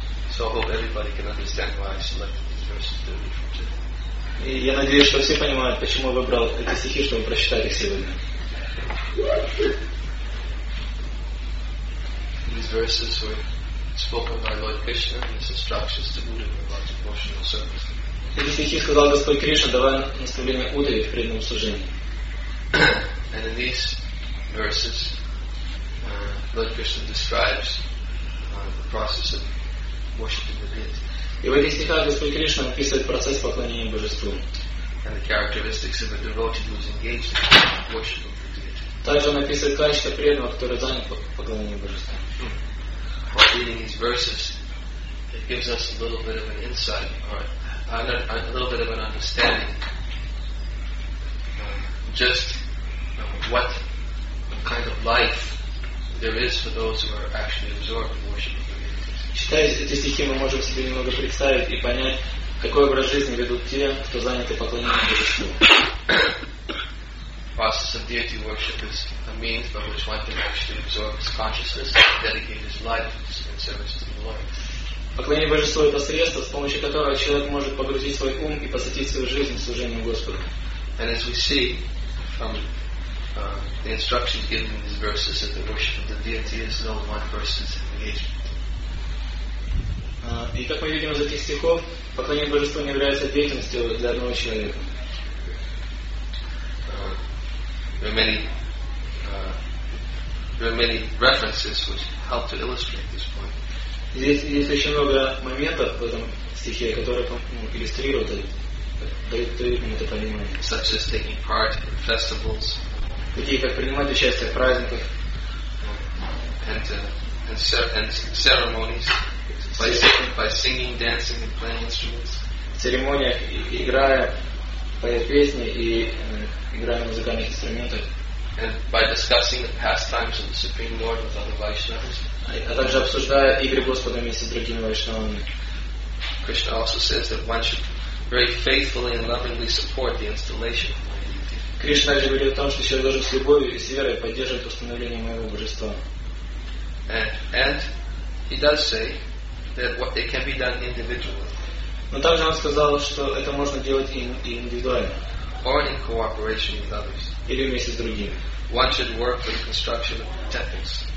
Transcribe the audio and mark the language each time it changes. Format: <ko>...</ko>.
<en>So I hope everybody can understand why I selected these verses to read from today.</en> <ru>И я надеюсь, что все понимают, почему я выбрал эти стихи, чтобы прочитать их сегодня.</ru> <en>These verses were spoken by Lord Krishna in his instructions to Uddhava in the last devotional service.</en> <ru>Эти стихи сказал Господь Кришна, давая наставление Удаве в преданном служении.</ru> <en>And in these verses, Lord Krishna describes the process of worshiping the deity.</en> <ru>И в этих стихах Господь Кришна описывает процесс поклонения Божеству.</ru> <en>And the characteristics of a devotee who is engaged in worship of the deity.</en> <ru>Также он описывает качество преданного, который занят поклонением Божеству.</ru> <en>While reading these verses, it gives us a little bit of an insight, or a little bit of an understanding, just what kind of life there is for those who are actually absorbed in worship.</en> <ru>Читая эти стихи, мы можем себе немного представить и понять, какой образ жизни ведут те, кто заняты поклонением Божеству.</ru> <en>Process of deity worship is a means by which one can actually absorb his consciousness and dedicate his life in service to the Lord.</en> <ru>Поклонение Божеству — это средство, с помощью которого человек может погрузить свой ум и посвятить свою жизнь служению Господу.</ru> <en>And as we see from the instructions given in these verses, that the worship of the deity is no one person's engagement.</en> <ru>И как мы видим из этих стихов, поклонение Божеству не является деятельностью для одного человека.</ru> <en>There are many references which help to illustrate this point.</en> <ru>Здесь есть очень много моментов в этом стихе, которые иллюстрируют дают это понимание.</ru> <en>Such as taking part in festivals.</en> <ru>Такие как принимать участие в праздниках.</ru> <en>And ceremonies. By singing, dancing, and playing instruments.</en> <ru>В церемониях, играя, поя песни и играя на музыкальных инструментах.</ru> <en>And by discussing the pastimes of the Supreme Lord with other Vaishnavas.</en> <ru>А также обсуждая игры Господа вместе с другими Вайшнавами.</ru> <en>Krishna also says that one should very faithfully and lovingly support the installation.</en> <ru>Кришна также говорит о том, что человек должен с любовью и с верой поддерживать установление моего божества.</ru> <en>And he does say that what it can be done individually.</en> <ru>Но также он сказал, что это можно делать и индивидуально.</ru> <en>Or in cooperation with others.</en> <ru>Или вместе с другими.</ru> <en>One should work for the construction of temples.</en>